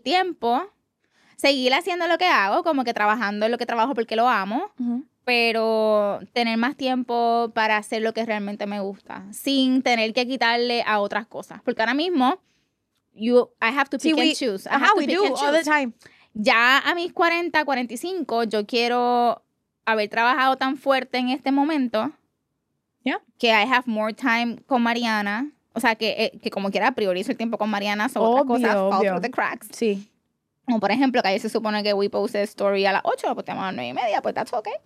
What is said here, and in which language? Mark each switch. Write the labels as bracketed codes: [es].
[es] tiempo, seguir haciendo lo que hago, como que trabajando en lo que trabajo porque lo amo, pero tener más tiempo para hacer lo que realmente me gusta, sin tener que quitarle a otras cosas. Porque ahora mismo, [en] I have to pick and choose all the time. [es] Ya a mis 40, 45, yo quiero haber trabajado tan fuerte en este momento que [en] I have more time [es] con Mariana. O sea, que como quiera priorizo el tiempo con Mariana sobre otras cosas, [en] fall through the cracks. [es] Sí. Como por ejemplo, que ayer se supone que [en] we posted story [es] a las 8, lo posteamos a las 9 y media, pues [en] that's okay.